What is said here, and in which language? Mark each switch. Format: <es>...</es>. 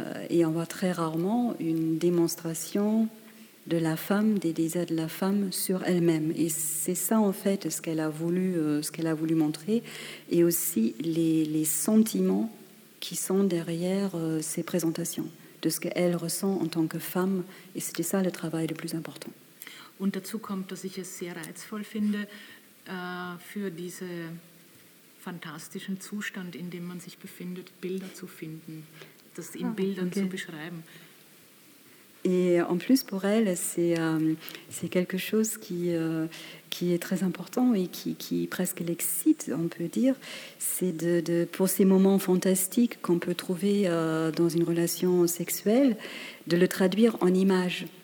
<fr>Et on voit très rarement une démonstration de la femme, des désirs de la femme sur elle-même. Et c'est ça, en fait, ce qu'elle a voulu montrer, et aussi les sentiments qui sont derrière ces présentations, de ce qu'elle ressent en tant que femme. Et c'était ça le travail le plus important.</fr> <de>Und dazu kommt, dass ich es sehr reizvoll finde, für diesen fantastischen Zustand, in dem man sich befindet, Bilder zu finden, das in Bildern zu beschreiben.</de> <fr>Et en plus, pour elle, c'est quelque chose qui est très important et qui presque l'excite, on peut dire. C'est de pour ces moments fantastiques qu'on peut trouver dans une relation sexuelle, de le traduire en image.</fr>